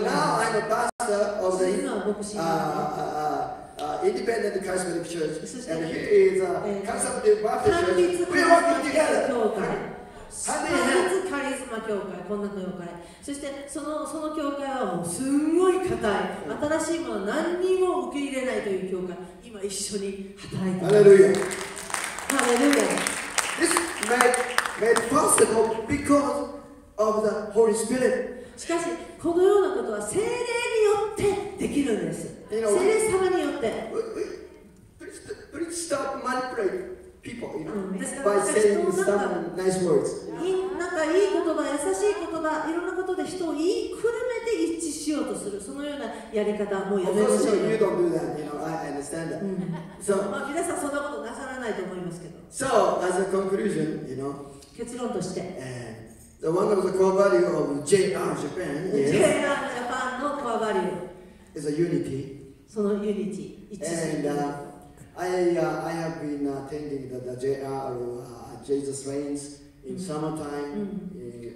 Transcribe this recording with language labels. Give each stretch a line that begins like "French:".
Japanese: グラウンド。
English: But now I'm a pastor of the independent charismatic church, and he is a conservative Baptist church. We're working together.
Japanese: 単一カリスマ教会、こんな教会。そしてその教会はもうすんごい固い、新しいもの何にも受け入れないという教会、今一緒に働いています。ハレルヤ。ハレルヤ。
English: This made possible because of the Holy Spirit.
Japanese: しかし、このようなことは聖霊によってできるんです。聖霊様によって。
English: Please stop manipulating. People, you know, by saying some nice words.
Japanese: いい言葉、優しい言葉、いろんなことで人を言いくるめて一致しようとする、そのようなやり方はもうやめましょう。
English: Of course, you don't do that. You know, I understand that.
Japanese: So, 皆さんそんなことなさらないと思いますけど。
English: So, as a conclusion, you know,
Japanese: 結論として、
English: the one of the core value of JR Japan is JR Japan の core value is a unity.
Japanese: そのユニティ、一致する。
English: I have been attending the JR Jesus Reigns in summertime.